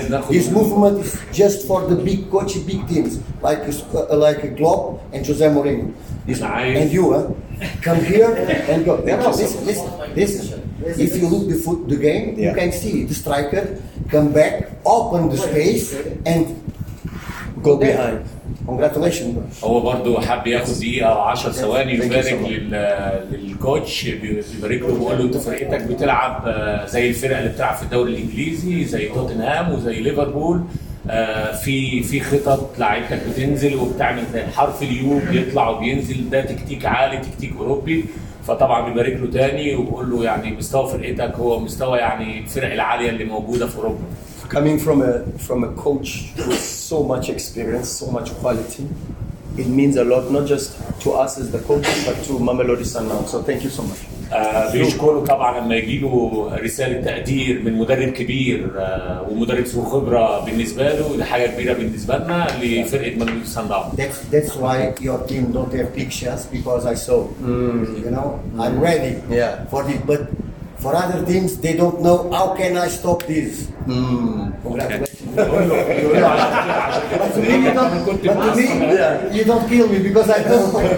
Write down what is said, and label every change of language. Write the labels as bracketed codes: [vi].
[en] His movement is just for the big coach, big teams, like Klopp and Jose Mourinho. And you, come here and go. Listen. If you look the game, yeah. You can see the striker come back, open the space, and go behind. Congratulations. [ar] هو برضو حاب ياخد دقيقة أو 10 ثواني يبارك للكوتش يبارك له ويقول له أنت فرقتك بتلعب زي الفرق اللي بتلعب في الدوري الإنجليزي زي توتنهام وزي ليفربول في خطط لعيبتك بتنزل وبتعمل حرف اليو بيطلع وبينزل ده تكتيك عالي تكتيك أوروبي فطبعا يبارك له تاني ويقول له يعني مستوى فرقتك هو مستوى يعني الفرق العاليه اللي موجوده في اوروبا. [en] Coming from a coach with so much experience, so much quality, it means a lot not just to us as the coaches but to Mamelodi Sundowns. So thank you so much. [ar] بيشكره طبعا لما يجي له رساله تقدير من مدرب كبير ومدرب ذو خبره بالنسبه له دي حاجه كبيره بالنسبه لنا لفرقه مانويل سانداون. [en] That's why your team don't have pictures because I saw. You know, I'm ready for this. But for other teams, they don't know how can I stop this. You don't kill me because I don't.